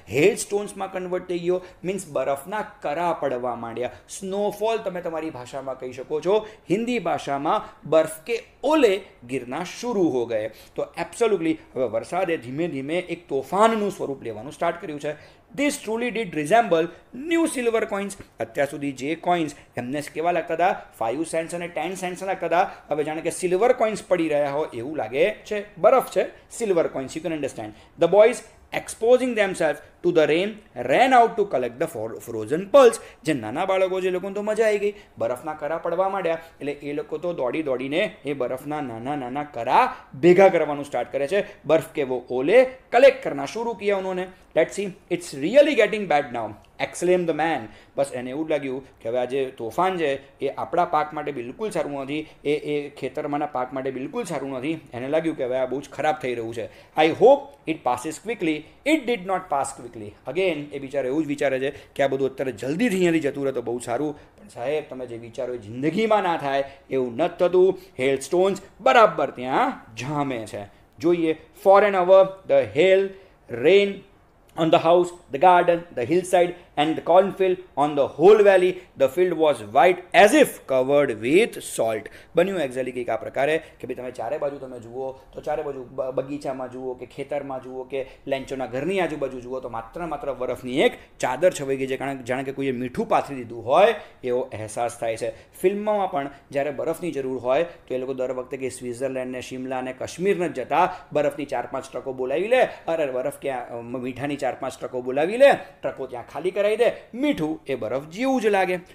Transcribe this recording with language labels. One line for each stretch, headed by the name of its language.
Gujarati: હેલ સ્ટોન્સમાં convert થઈ ગયો means બરફના કરા પડવા માંડ્યા. સ્નોફોલ તમે તમારી ભાષામાં કહી શકો છો, હિન્દી ભાષામાં
Hindi: બરફ કે ઓલે ગીરના શરૂ હો ગયે.
Gujarati: તો એબ્સોલ્યુટલી હવે વરસાદે ધીમે ધીમે એક તોફાનનું સ્વરૂપ લેવાનું સ્ટાર્ટ કર્યું છે.
English: This truly did resemble new silver coins.
Gujarati: અત્યાર સુધી જે કોઇન્સ એમને કેવા લાગતા હતા, 5 સેન્ટ્સ અને 10 સેન્ટ્સ લાગતા હતા, હવે જાણે કે સિલ્વર કોઇન્સ પડી રહ્યા હોય એવું લાગે છે. બરફ છે,
English: Silver coins, you can understand. The boys exposing themself to the rain ran out to collect the frozen pearls.
Gujarati: જે નાના બાળકો છે એ લોકોને તો મજા આવી ગઈ, બરફના કરા પડવા માંડ્યા, એટલે એ લોકો તો દોડી દોડીને એ બરફના નાના નાના કરા ભેગા કરવાનું સ્ટાર્ટ કરે છે.
Hindi: બરફ કે વો ઓલે કલેક્ટ કરના શરૂ કિયા ઉન્હોને.
English: Let see, it's really getting bad now, exclaimed the man.
Gujarati: બસ એને એવું લાગ્યું કે હવે આ જે તોફાન છે એ આપણા પાક માટે બિલકુલ સારું નથી, એ ખેતરમાંના પાક માટે બિલકુલ સારું નથી. એને લાગ્યું કે હવે આ બહુ જ ખરાબ થઈ રહ્યું છે.
English: I hope it passes quickly, it did not pass quickly.
Gujarati: Again એ બિચારો એવું જ વિચારે છે કે આ બધું અત્યારે જલ્દીથી અહીંયાથી જતું રહે તો બહુ સારું, પણ સાહેબ તમે જે વિચારો એ જિંદગીમાં ના થાય એવું નથી થતું. હેલ સ્ટોન્સ બરાબર ત્યાં જામે છે. જોઈએ,
English: For an hour the hail rain on the house, the garden, the hillside and the cornfield, on the whole valley, the field was white as if covered with salt.
Gujarati: બન્યું એક્ઝેક્ટલી કઈક આ પ્રકારે કે ભાઈ તમે ચારે બાજુ તમે જુઓ તો ચારે બાજુ બગીચામાં જુઓ કે ખેતરમાં જુઓ કે લેન્ચોના ઘરની આજુબાજુ જુઓ તો માત્ર માત્ર બરફની એક ચાદર છવાઈ ગઈ છે, કારણ કે જાણે કે કોઈએ મીઠું પાથરી દીધું હોય એવો અહેસાસ થાય છે. ફિલ્મમાં પણ જ્યારે બરફની જરૂર હોય તો એ લોકો દર વખતે કે સ્વિટ્ઝરલેન્ડને, શિમલાને, કશ્મીરને જતા બરફની 4-5 ટ્રકો બોલાવી લે, અરે બરફ ક્યાં મીઠાની 4-5 ટ્રકો બોલાવી લે, ટ્રકો ત્યાં ખાલી કરાઈ દે, મીઠું એ બરફ જેવું જ લાગે.